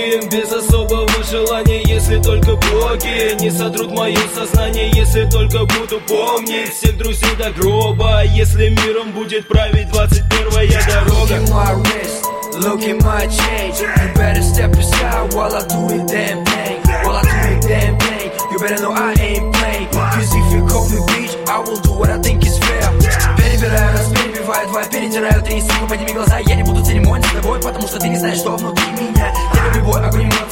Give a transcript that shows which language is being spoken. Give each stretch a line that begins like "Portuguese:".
Russian: Без особого желания, если только боги не сотрут мое сознание, если только буду помнить всех друзей до гроба, если миром будет править 21-я дорога.
English: Look at my wrist, look at my chain. You better step aside while I do it damn thing. While I do it damn thing, you better know I ain't playing. Cause if you call me bitch, I will do what I think is fair.
Russian: Перебираю раз, перебиваю два, перетираю три. Сука, подними глаза, я не буду церемониться с тобой, потому что ты не знаешь, что внутри меня.